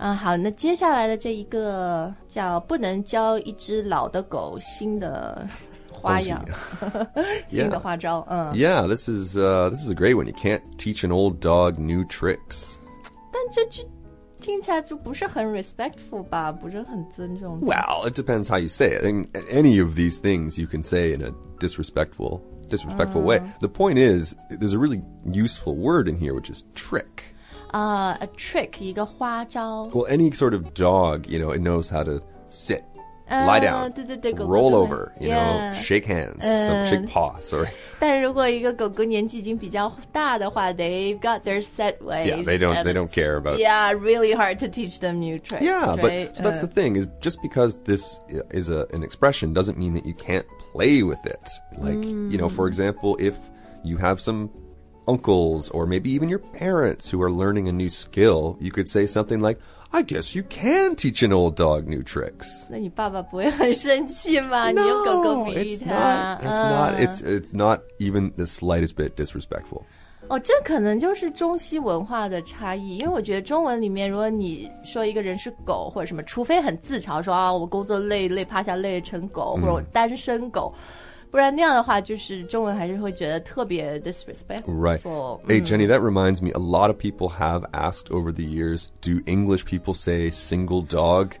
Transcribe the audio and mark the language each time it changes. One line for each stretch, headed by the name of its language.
Chinese: 好，那接下来的这一个叫不能教一只老的狗新的花样，新的花招。
English: Yeah. 嗯，Yeah, this is a great one. You can't teach an old dog new tricks.
Chinese: 但这听起来就不是很 respectful 吧？不是很尊重。
English: Well, it depends how you say it. And any of these things you can say in a disrespectful way. The point is, there's a really useful word in here, which is trick. A trick,
Chinese: 一个花招
English: Well, any sort of dog, you know, it knows how to sit lie down,
Chinese: 对对对
English: roll over, you know, shake hands, shake paw, sorry.
Chinese: 但如果一个狗狗年纪已经比较大的话
English: they've got their set ways. Yeah, they don't care about... Yeah, really hard to teach them new tricks, yeah, right? But, so that's the thing, is just because this is an expression doesn't mean that you can't play with it. Like, you know, for example, if you have some... uncles or maybe even your parents who are learning a new skill, you could say something like, I guess you can teach an old dog new tricks.
Chinese: 那你爸爸不会很生气吗
English: No,
Chinese: 你用狗狗比喻他
English: it's not even the slightest bit disrespectful.
Chinese: 哦，这可能就是中西文化的差异，因为我觉得中文里面如果你说一个人是狗或者什么，除非很自嘲说啊，我工作累累趴下累成狗，或者我单身狗不然那样的话就是中文还是会觉得特别 disrespectful.
English: Right. Hey, Jenny, that reminds me, a lot of people have asked over the years, do English people say single dog?